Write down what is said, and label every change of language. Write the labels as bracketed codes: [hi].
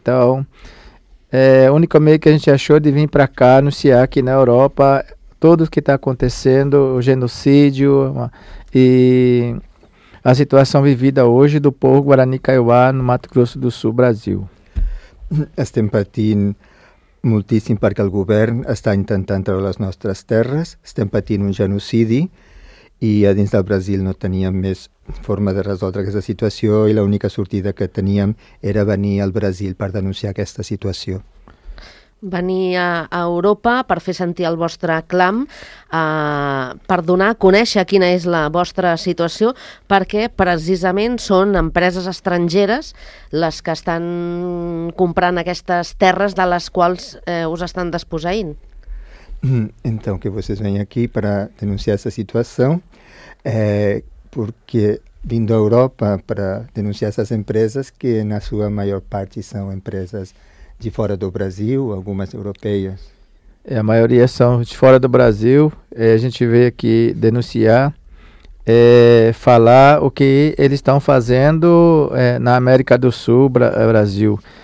[pt] Então, o único meio que a gente achou de vir para cá, anunciar aqui na Europa, tudo o que está acontecendo, o genocídio e a situação vivida hoje do povo Guarani Kaiowá no Mato Grosso do Sul, Brasil. [ca] Estem patint moltíssim perquè el govern està intentant treure les nostres terres. Estem patint un genocidi i a dins del Brasil no teníem més forma de resoldre aquesta situació i l'única sortida que teníem era venir al Brasil per denunciar aquesta situació. Venir a Europa per fer sentir el vostre clam, per donar a conèixer quina és la vostra situació, perquè precisament són empreses estrangeres les que estan comprant aquestes terres de les quals us estan desposeint. [pt] Então, que vocês vêm aqui para denunciar essa situação, porque vindo à Europa para denunciar essas empresas, que na sua maior parte são empresas de fora do Brasil, algumas europeias. A maioria são de fora do Brasil. A gente veio aqui denunciar, falar o que eles estão fazendo na América do Sul, Brasil.